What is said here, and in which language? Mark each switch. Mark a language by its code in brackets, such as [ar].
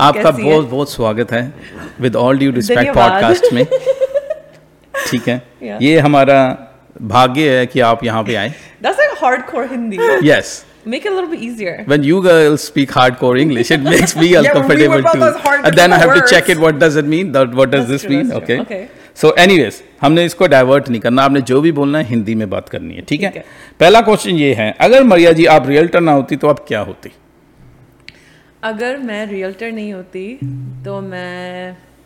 [hi] आपका बहुत बहुत स्वागत है with all due respect podcast में. ठीक है, ये हमारा भाग्य है कि आप यहाँ पे आए. [en] That's like hardcore Hindi. Yes. Make it a little bit easier. When you girls speak hardcore English, it makes me uncomfortable too. And then I have to check it. What does it mean? What does this mean? Okay. So anyways, [hi] हमने इसको divert नहीं करना. आपने जो भी बोलना है हिंदी में बात करनी है. ठीक है, पहला क्वेश्चन ये है, अगर मरिया जी आप रियल्टर ना होती तो आप क्या होती? अगर मैं रियल्टर नहीं होती तो मैं